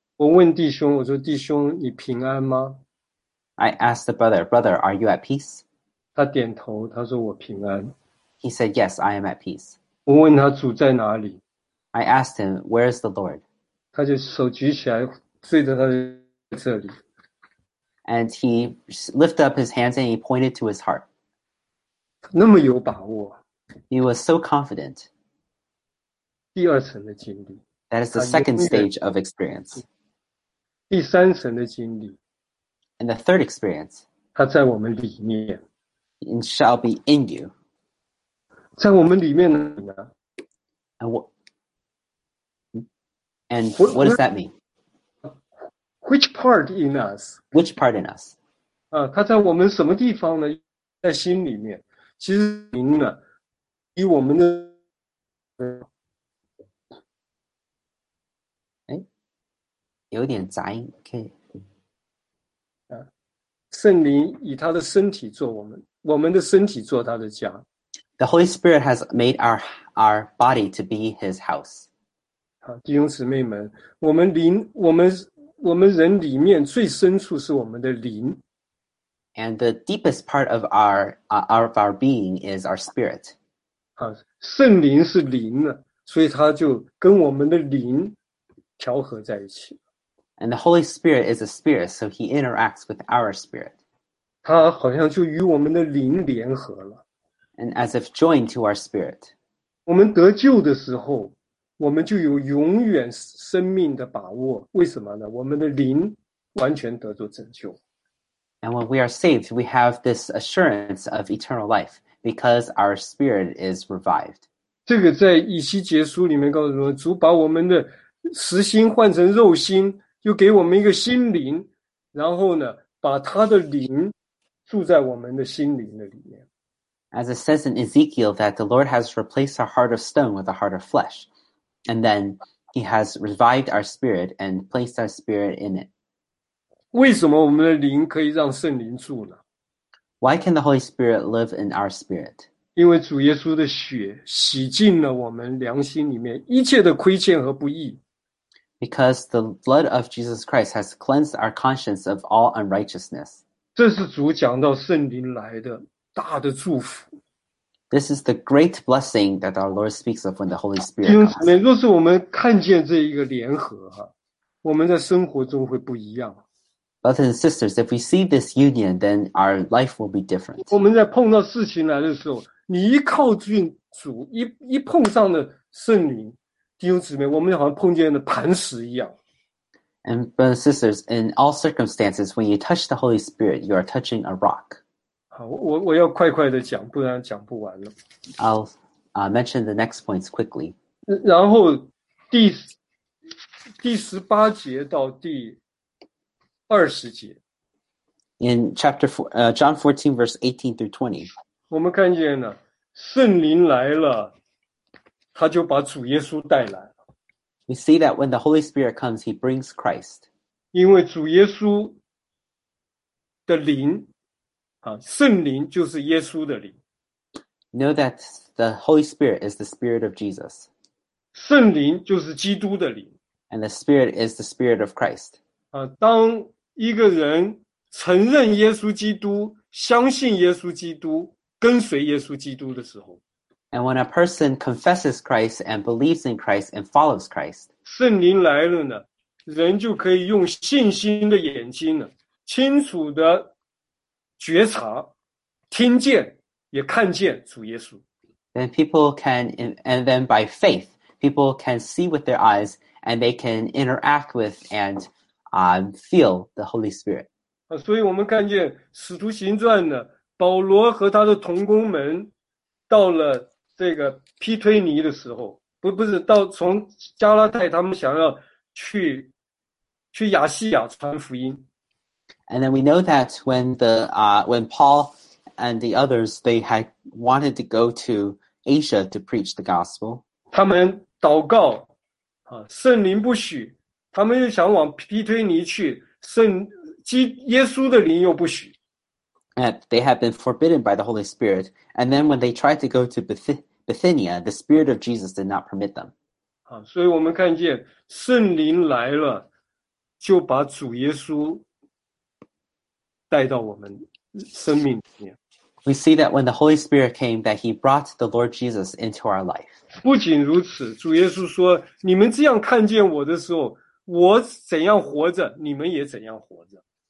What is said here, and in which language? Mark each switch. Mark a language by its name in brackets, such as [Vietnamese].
[Chinese] 我问弟兄，我说弟兄，你平安吗？ [English] I asked the brother, Brother, are you at peace? [Chinese] 他点头，他说我平安。 [English] He said, yes, I am at peace. [Chinese] 我问他主在哪里。 [English] I asked him, where is the Lord? [Chinese] 他就手举起来，对着他在这里。 [English] And he lifted up his hands and he pointed to his heart. [Chinese] 那么有把握。 [English] He was so confident. [Chinese] 第二层的经历。 [English] That is the second stage of experience. [Chinese] 第三层的经历。 [English] And the third experience, [Chinese] 它在我们里面 [English] it shall be in you. [Chinese] 在我们里面呢 [English] And what does that mean? Which part in us? Which part in us? [Chinese] 它在我们什么地方呢？在心里面。其实灵呢，以我们的，有点杂音，可以。圣灵以他的身体做我们，我们的身体做他的家。 [English] The Holy Spirit has made our body to be His house. [Chinese] 弟兄姊妹们，我们灵，我们人里面最深处是我们的灵。 [English] And the deepest part of our being is our spirit. [Chinese] 圣灵是灵呢，所以他就跟我们的灵调和在一起。 [English] And the Holy Spirit is a spirit, so he interacts with our spirit. [Chinese] 他好像就与我们的灵联合了。 [English] And as if joined to our spirit. [Chinese] 我们得救的时候，我们就有永远生命的把握。为什么呢？我们的灵完全得着拯救。 [English] And when we are saved, we have this assurance of eternal life, because our spirit is revived. [Chinese] 这个在以西结书里面告诉我们，主把我们的实心换成肉心。又给我们一个心灵，然后呢，把他的灵住在我们的心灵的里面。 [English] As it says in Ezekiel that the Lord has replaced our heart of stone with a heart of flesh, and then He has revived our spirit and placed our spirit in it. [Chinese] 为什么我们的灵可以让圣灵住呢 [English] ？Why can the Holy Spirit live in our spirit？ [Chinese] 因为主耶稣的血洗净了我们良心里面一切的亏欠和不义。 [English] Because the blood of Jesus Christ has cleansed our conscience of all unrighteousness. [Chinese] 这是主讲到圣灵来的大的祝福。 [English] This is the great blessing that our Lord speaks of when the Holy Spirit comes. [Chinese] 弟兄姊妹，若是我们看见这一个联合，我们在生活中会不一样。 [English] Brothers and sisters, if we see this union, then our life will be different. [Chinese] 我们在碰到事情来的时候，你一靠近主，一碰上了圣灵。弟兄姊妹，我们好像碰见了磐石一样。 [English] And brothers and sisters, in all circumstances, when you touch the Holy Spirit, you are touching a rock. [Chinese] 我要快快的讲，不然讲不完了。 [English] I'll mention the next points quickly. [Chinese] 然后第十八节到第二十节。 [English] In chapter four, John 14, verse 18 through 20. [Chinese] 我们看见了圣灵来了。他就把主耶稣带来了。 [English] We see that when the Holy Spirit comes, He brings Christ. [Chinese] 因为主耶稣的灵，圣灵就是耶稣的灵。 [English] Know that the Holy Spirit is the Spirit of Jesus. [Chinese] 圣灵就是基督的灵。 [English] And the Spirit is the Spirit of Christ. [Chinese] 当一个人承认耶稣基督，相信耶稣基督，跟随耶稣基督的时候， [English] And when a person confesses Christ and believes in Christ and follows Christ, [Chinese] 圣灵来了呢，人就可以用信心的眼睛呢，清楚的觉察，听见也看见主耶稣。 [English] Then people can, and then by faith, people can see with their eyes and they can interact with and feel the Holy Spirit. [Chinese] 所以我们看见使徒行传呢，保罗和他的同工们到了这个披推尼的时候，不是到从加拉太他们想要去亚细亚传福音。 [English] And then we know that when when Paul and the others, they had wanted to go to Asia to preach the gospel. [Chinese] 他们祷告，圣灵不许，他们又想往披推尼去，耶稣的灵又不许。 [English] And they had been forbidden by the Holy Spirit. And then when they tried to go to Bithynia, the Spirit of Jesus did not permit them. [Chinese] 所以我们看见圣灵来了，就把主耶稣带到我们生命里面。 [English] We see that when the Holy Spirit came, that he brought the Lord Jesus into our life. [Chinese] 不仅如此，主耶稣说，你们这样看见我的时候，我怎样活着，你们也怎样活着。